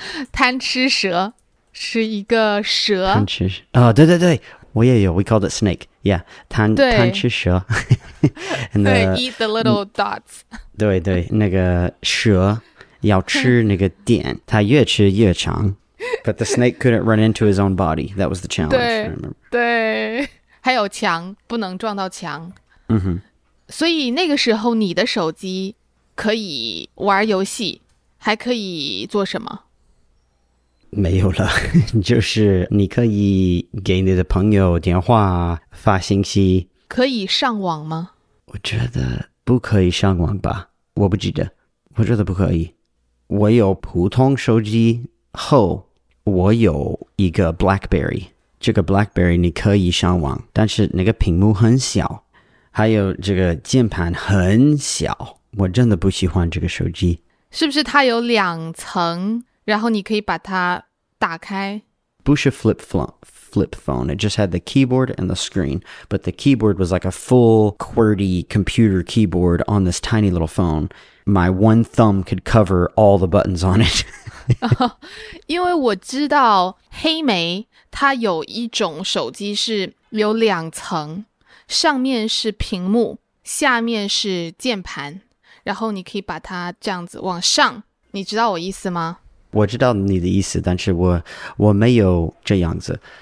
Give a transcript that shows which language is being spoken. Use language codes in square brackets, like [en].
[zh] 贪吃蛇，是一个蛇。贪吃蛇、哦、对对对，我也有。 [en] We called it snake. Yeah, [zh] 贪吃蛇 [en] the, 对 eat the little dots. [zh] 对对，那个蛇要吃那个点它越吃越长。 [en] But the snake couldn't run into his own body. That was the challenge. [zh] 对, 对，还有墙，不能撞到墙。嗯哼。所以那个时候你的手机可以玩游戏，还可以做什么？没有了，就是你可以给你的朋友电话，发信息。可以上网吗？我觉得不可以上网吧，我不记得，我觉得不可以。我有普通手机后，我有一个 BlackBerry， 这个 BlackBerry 你可以上网，但是那个屏幕很小。还有这个键盘很小，我真的不喜欢这个手机。是不是它有两层，然后你可以把它打开？不是 [en] flip phone, it just had the keyboard and the screen, but the keyboard was like a full QWERTY computer keyboard on this tiny little phone. My one thumb could cover all the buttons on it. [zh] 因为我知道黑莓它有一种手机是有两层，上面是屏幕，下面是键盘，然后你可以把它这样子往上，你知道我意思吗？我知道你的意思，但是我没有这样子。